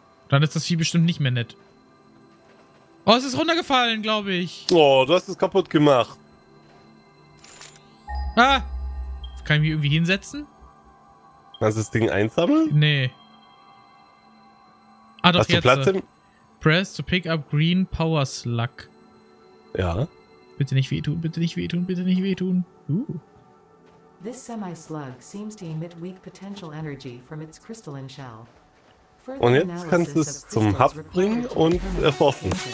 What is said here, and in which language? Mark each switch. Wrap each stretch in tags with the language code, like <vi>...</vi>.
<de>Dann ist das Vieh bestimmt nicht mehr nett. Oh, es ist runtergefallen, glaube ich. Oh, du hast es kaputt gemacht. Ah! Kann ich mich irgendwie hinsetzen? Kannst du das Ding einsammeln? Nee. Ah, doch, hast jetzt. Platz im...</de> <en>Press to pick up green power slug.</en> <de>Ja. Bitte nicht wehtun, bitte nicht wehtun, bitte nicht wehtun.</de> <en>This semi-slug seems to emit weak potential energy from its crystalline shell.</en> <de>Und jetzt kannst du es zum Hub bringen und erforschen.</de>